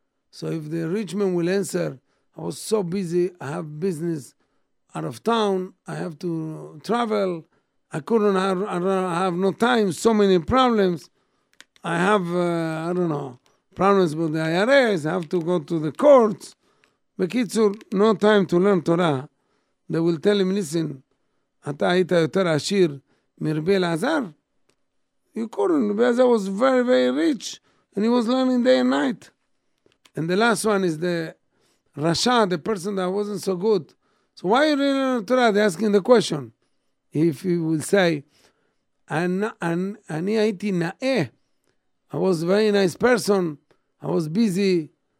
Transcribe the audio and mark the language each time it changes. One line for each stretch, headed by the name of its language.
English: So if the rich man will answer, I was so busy, I have business out of town, I have to travel, I have no time, so many problems. I have, problems with the IRS, I have to go to the courts. בקיצור, no time to learn Torah. They will tell him, listen,
Hebrew: אתה היית יותר עשיר מרבי אלעזר?
English: You couldn't. רבי אלעזר was very, very rich, and he was learning day and night. And the last one is the רשע, the person that wasn't so good. So why are you really learning Torah? They're asking the question. If he will say,
Hebrew: אני הייתי נאה,
English: I was a very nice person, I was busy,